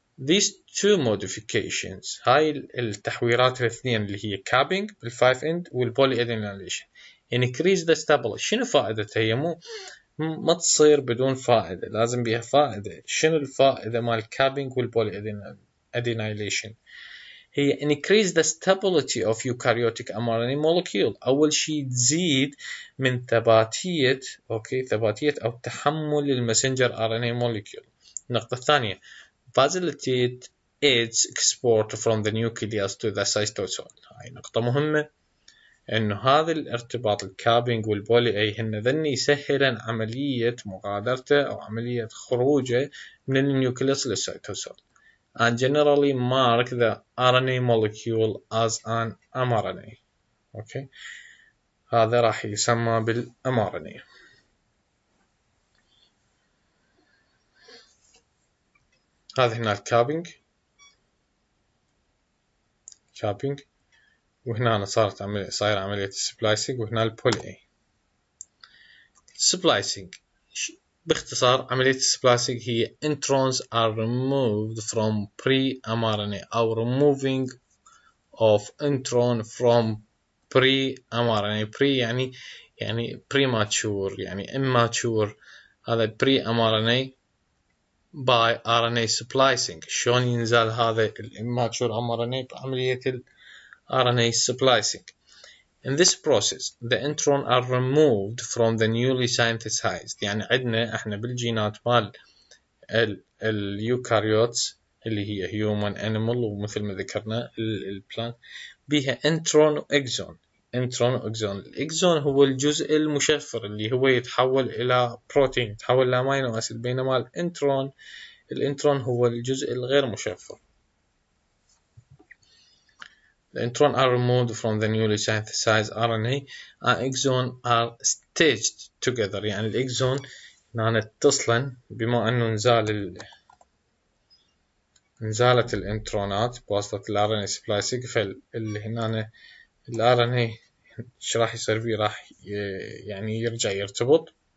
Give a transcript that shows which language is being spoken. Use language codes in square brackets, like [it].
[en] These two modifications، [ar] هاي التحويرات الاثنين اللي هي capping بال 5 end والبولي ادينيليشن، [en] increase the stability. [ar] شنو فائدتها؟ هي مو ما تصير بدون فائدة، لازم بيها فائدة. شنو الفائدة مال capping والبولي ادينيليشن؟ هي [en] increase the stability of eukaryotic mRNA molecule. [ar] اول شيء تزيد من ثباتية، اوكي، ثباتية او تحمل المسنجر RNA molecule. النقطة الثانية [en] facilitate its export from the nucleus to the cytosol. [ar] هاي نقطة مهمة، انه هذا الارتباط الكابينج والبولي اي هن ذني يسهلا عملية مغادرته او عملية خروجه من النيوكليوس للسيتوسول، [en] and generally mark the RNA molecule as an mRNA. [ar] اوكي، هذا راح يسمى بالmRNA. هذا هنا الكابينج، كابينج، وهنا صارت صايرة عملية السبلايسنج، وهنا البولي اي. سبلايسنج باختصار، عملية السبلايسنج هي [en] introns are removed from pre-mRNA، [ar] أو [en] removing of intron from [ar] بري أمارة، يعني بري يعني بري ماتشور، يعني اماتشور. هذا بري أمارة باي ار ان اي سبلايسنج. شلون ينزل هذا الاماتشور ار ان اي؟ بعمليه الار ان اي سبلايسنج. [en] In this process, the introns are removed from the newly synthesized. [ar] يعني عندنا احنا بالجينات مال اليوكاريوتس اللي هي human animal، ومثل ما ذكرنا البلانت بها انترون واكزون. انترون واكزون، الاكزون هو الجزء المشفر اللي هو يتحول الى بروتين، يتحول الى امينو اسيد، بينما الانترون هو الجزء الغير مشفر. [en] The introns are removed from the newly synthesized RNA and exons are stitched together. [ar] يعني الاكزون هنا اتصلا، بما انه نزالت الانترونات بواسطة الـ RNA splicing، فاللي هنا الـ RNA ايش راح يصير فيه؟ راح يعني يرجع يرتبط.